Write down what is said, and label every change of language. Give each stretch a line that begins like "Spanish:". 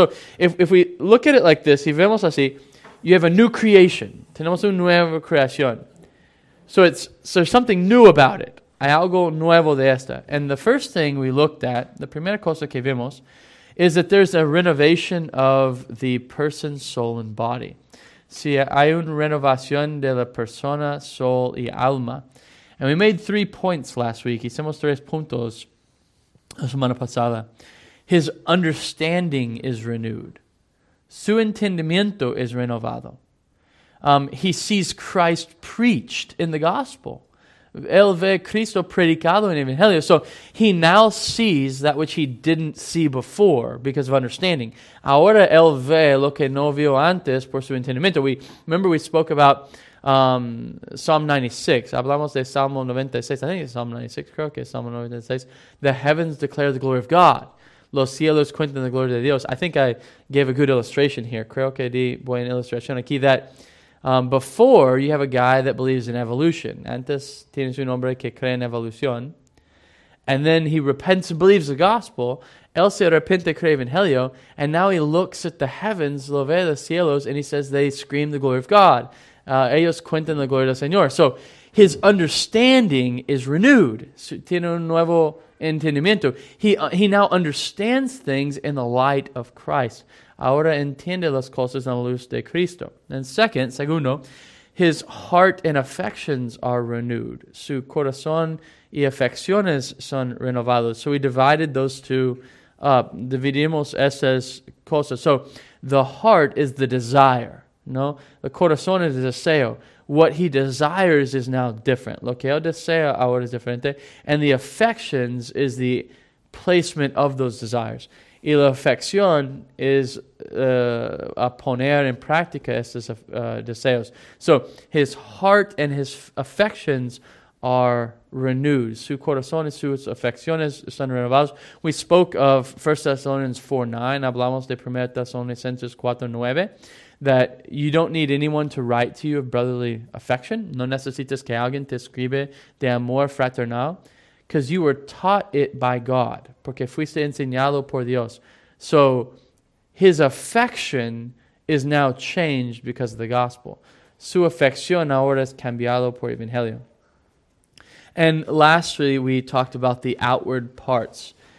English: So if we look at it like this,
Spanish: si vemos así,
English: you have a new creation,
Spanish: tenemos una nueva creación.
English: So it's there's something new about it.
Spanish: Hay algo nuevo de esta.
English: And the first thing we looked at, the
Spanish: primera cosa que vimos,
English: is that there's a renovation of the person, soul, and body.
Spanish: Si hay una renovación de la persona, soul, y alma.
English: And we made three points last week.
Spanish: Hicimos tres puntos la semana pasada.
English: His understanding is renewed.
Spanish: Su entendimiento es renovado.
English: He sees Christ preached in the gospel.
Spanish: Él ve Cristo predicado en Evangelio.
English: So he now sees that which he didn't see before because of understanding.
Spanish: Ahora él ve lo que no vio antes por su entendimiento.
English: Remember we spoke about Psalm 96.
Spanish: Hablamos de Salmo 96.
English: I think it's Psalm 96.
Spanish: Creo que es Psalm 96.
English: The heavens declare the glory of God.
Spanish: Los cielos cuentan la gloria de Dios.
English: I think I gave a good illustration here.
Spanish: Creo que di buena ilustración aquí
English: that before, you have a guy that believes in evolution.
Spanish: Antes, tienes un hombre que cree en evolución.
English: And then he repents and believes the gospel.
Spanish: Él se arrepiente, cree evangelio.
English: And now he looks at the heavens,
Spanish: lo ve los cielos,
English: and he says, they scream the glory of God.
Spanish: Ellos cuentan la gloria del Señor.
English: So, his understanding is renewed.
Spanish: Tiene un nuevo entendimiento.
English: He now understands things in the light of Christ.
Spanish: Ahora entiende las cosas en la luz de Cristo.
English: And segundo, his heart and affections are renewed.
Spanish: Su corazón y afecciones son renovados.
English: So we divided those two up.
Spanish: Dividimos esas cosas.
English: So the heart is the desire.
Spanish: No, el corazón es el deseo.
English: What he desires is now different.
Spanish: Lo que él desea ahora es diferente.
English: And the affections is the placement of those desires.
Spanish: Y la afección es a poner en práctica estos deseos.
English: So, his heart and his affections are renewed.
Spanish: Su corazón y sus afecciones están renovados.
English: We spoke of 1 Thessalonians 4:9.
Spanish: Hablamos de
English: 1 Thessalonians 4:9. That you don't need anyone to write to you of brotherly affection.
Spanish: No necesitas que alguien te escribe de amor fraternal.
English: Because you were taught it by God.
Spanish: Porque fuiste enseñado por Dios.
English: So, his affection is now changed because of the gospel.
Spanish: Su afección ahora es cambiado por evangelio.
English: And lastly, we talked about the outward parts.